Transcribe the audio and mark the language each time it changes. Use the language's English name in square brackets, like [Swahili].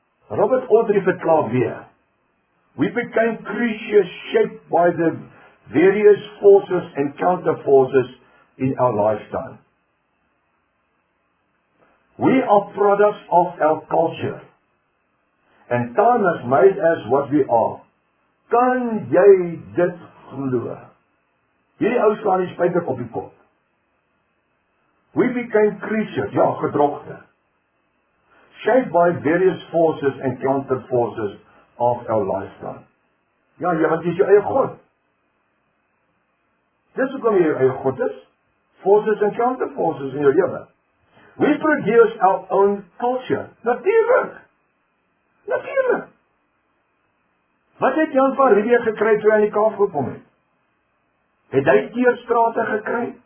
[English] Robert Audrey [Afrikaans] verklaar weer, [English] we became creatures shaped by the various forces and counterforces in our lifetime. We are products of our culture, and time has made us what we are. [Afrikaans] Kan jy dit glo? Hierdie ou slaan die spyker op die kop. [English] We became creatures, [Afrikaans] ja, gedrokte, [English] shaped by various forces and counterforces of our lifetime. [Afrikaans] Ja, jy, want jy is jou eie God. Dis hoekom jy jou eie God is. [English] Forces and counterforces [Afrikaans] in jou lewe. [English] We produce our own culture. [Afrikaans] Natuurlik. Wat het Jan van Riebe gekry toe hy aan die Kaap gekom het? Het hy teerstrate gekry?